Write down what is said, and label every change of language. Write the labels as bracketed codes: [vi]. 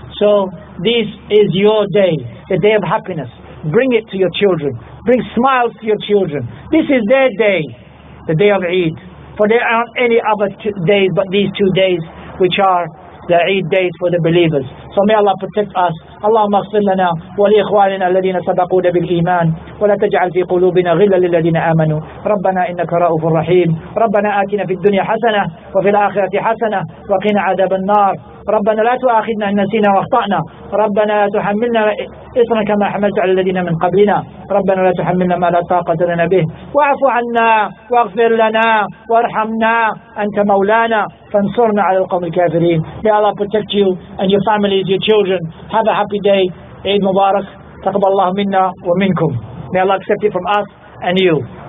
[en] So this is your day, the day of happiness. Bring it to your children. Bring smiles to your children. This is their day, the day of Eid. For there aren't any other days but these 2 days, which are the Eid days for the believers. So may Allah protect us. [ar] اللهم اغفر لنا ولإخواننا الذين سبقونا بالإيمان ولا تجعل في قلوبنا غلا للذين آمنوا ربنا إنك رؤوف رحيم ربنا آتنا في الدنيا حسنة وفي الآخرة حسنة وقنا عذاب النار ربنا لا تؤاخذنا إن نسينا وأخطأنا ربنا لا تحملنا إصرا كما حملت على الذين من قبلنا ربنا لا تحملنا ما لا طاقة لنا به واعف عنا واغفر لنا وارحمنا أنت مولانا فانصرنا على القوم الكافرين. [en] May Allah protect you and your families, your children. Have a happy day. Eid Mubarak. [ar] تقبل الله منا ومنكم. [en] May Allah accept it from us and you.